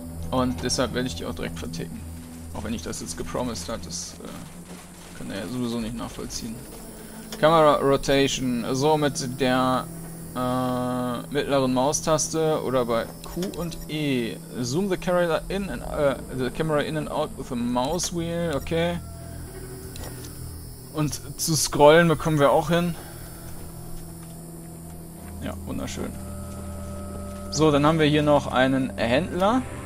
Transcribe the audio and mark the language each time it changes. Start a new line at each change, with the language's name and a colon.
German: Und deshalb werde ich die auch direkt verticken. Auch wenn ich das jetzt gepromised hat, das kann er ja sowieso nicht nachvollziehen. Kamera Rotation. So, mit der mittleren Maustaste oder bei Q und E.
English: Zoom the character in and the camera in and out with a mouse wheel.
German: Okay. Und zu scrollen bekommen wir auch hin. Ja, wunderschön. So, dann haben wir hier noch einen Händler.